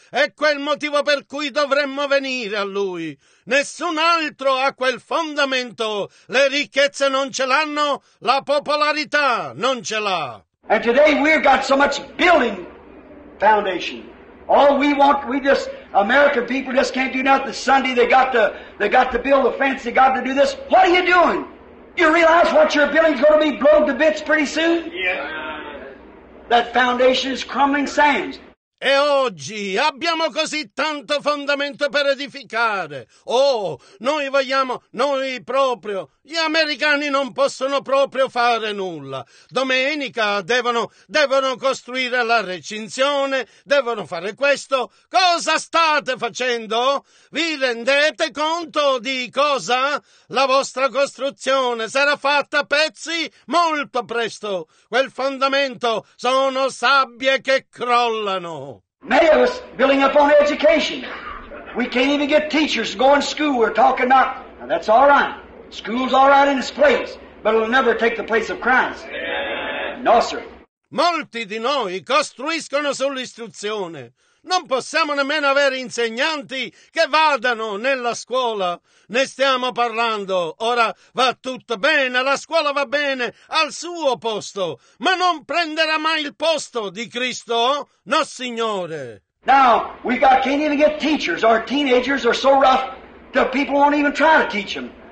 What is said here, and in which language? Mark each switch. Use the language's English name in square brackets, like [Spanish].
[Italian] È quel motivo per cui dovremmo venire a Lui. Nessun altro ha quel fondamento. Le ricchezze non ce l'hanno, la popolarità non ce l'ha. [English] And today we've got so much building foundation. All we want, we just, American people just can't do nothing. Sunday they got to build a fence, they got to do this. What are you doing? You realize what your building's going to be blown to bits pretty soon? Yeah. that foundation is crumbling sands. [Italian] E oggi abbiamo così tanto fondamento per edificare. Oh, noi vogliamo, noi proprio, gli americani non possono proprio fare nulla. Domenica devono costruire la recinzione, devono fare questo. Cosa state facendo? Vi rendete conto di cosa? La vostra costruzione sarà fatta a pezzi molto presto. Quel fondamento sono sabbie che crollano. [English] Many of us building up on education. We can't even get teachers to go in school. We're talking about, now that's all right. School's all right in its place, but it'll never take the place of Christ. No, sir. [Italian] Molti di noi costruiscono sull'istruzione. Non possiamo nemmeno avere insegnanti che vadano nella scuola. Ne stiamo parlando. Ora va tutto bene, la scuola va bene, al suo posto. Ma non prenderà mai il posto di Cristo, no signore. [English] Now, we got, can't even get teachers. Our teenagers are so rough that people won't even try to teach them.